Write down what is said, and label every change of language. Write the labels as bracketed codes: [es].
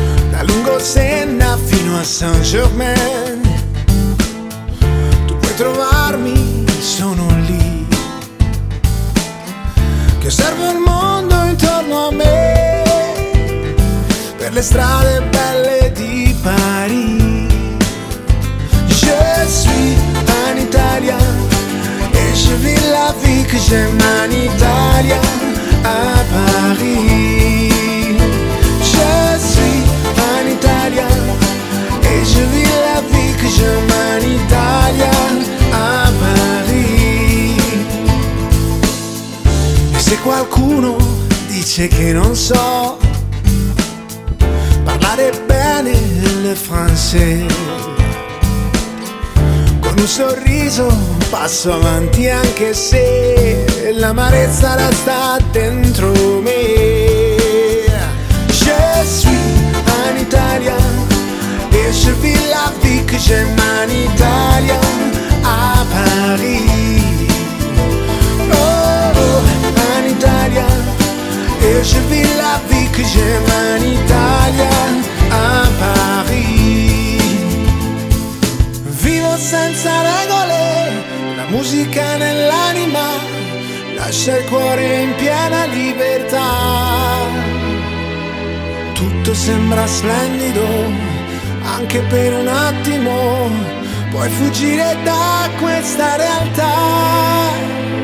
[it] Da lungo Senna fino a Saint-Germain, tu puoi trovarmi, sono lì. Che osservo il mondo intorno a me per le strade belle di Parigi. [fr] Je suis un italien et je vis la vie que j'aime en Italia à Paris. Je suis un italien et je vis la vie que j'aime en Italia à Paris. [it] Et se qualcuno dice che non so parlare bene il francese, con un sorriso passo avanti anche se l'amarezza resta dentro me. [fr] Je suis un italien et je vis la vie que j'aime en Italia à Paris. Oh, un italien et je vis la vie que j'aime en Italia à Paris. [it] Vivo senza regole, la musica nell'anima, lascia il cuore in piena libertà. Tutto sembra splendido, anche per un attimo puoi fuggire da questa realtà.